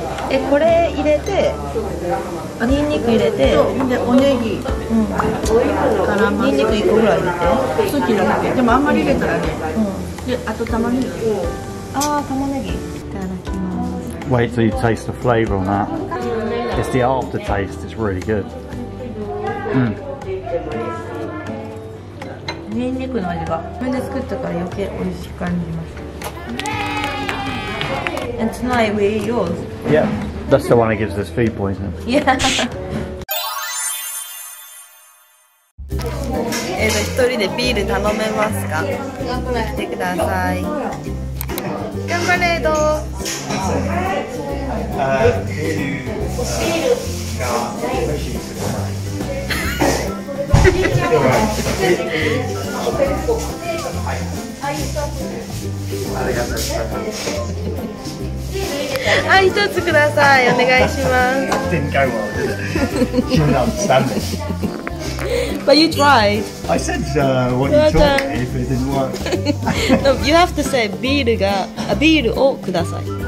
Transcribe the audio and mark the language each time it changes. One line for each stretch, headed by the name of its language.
Japanese: え、これ入れて、ニンニク入れて、で、おネギ、うん、ニンニク1個ぐらい入れて、好きなだけ、でもあんまり入れたらね、うん、で、あと玉ねぎ、あー、玉ねぎ、いただきます。
English: Wait till you taste the flavor on that. It's the aftertaste, it's really good. Mm.
Japanese: ニンニクの味が、自分で作ったから余計美味しく感じます。
English: And tonight we eat yours. Yeah, that's the one that gives us food poisoning. Yeah.
Japanese: 一人でビール頼めますか？来てください。頑張れ、どう？あ、一つください。お願いします。
English: Didn't go well, did it? She didn't understand it. But you tried. I said, what you taught me if it didn't work. No, you have to say,
Japanese: ビールが、あ、ビールをください。